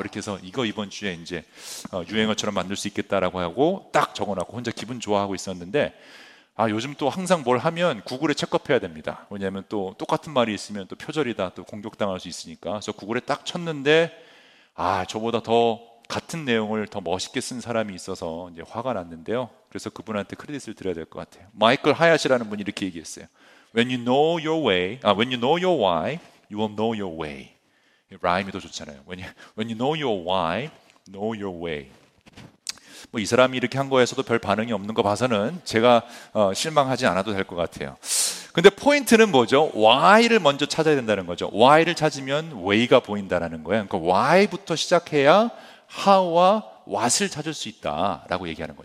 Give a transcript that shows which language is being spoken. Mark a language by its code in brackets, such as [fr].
[ko] 이렇게 해서 이거 이번 주에 이제 유행어처럼 만들 수 있겠다라고 하고 딱 적어놨고 혼자 기분 좋아하고 있었는데 요즘 또 항상 뭘 하면 구글에 체크업해야 됩니다. 왜냐하면 또 똑같은 말이 있으면 또 표절이다, 또 공격당할 수 있으니까. 그래서 구글에 딱 쳤는데 저보다 더 같은 내용을 더 멋있게 쓴 사람이 있어서 이제 화가 났는데요. 그래서 그분한테 크레딧을 드려야 될 것 같아요. 마이클 하얏이라는 분이 이렇게 얘기했어요. [en] When you know your way, when you know your why, you will know your way. [ko] 라임이 더 좋잖아요. [en] When you know your why, know your way. [ko] 뭐 이 사람이 이렇게 한 거에서도 별 반응이 없는 거 봐서는 제가 실망하지 않아도 될 것 같아요. 근데 포인트는 뭐죠? Why를 먼저 찾아야 된다는 거죠. Why를 찾으면 way가 보인다라는 거예요. 그러니까 why부터 시작해야 how와 what을 찾을 수 있다라고 얘기하는 거예요.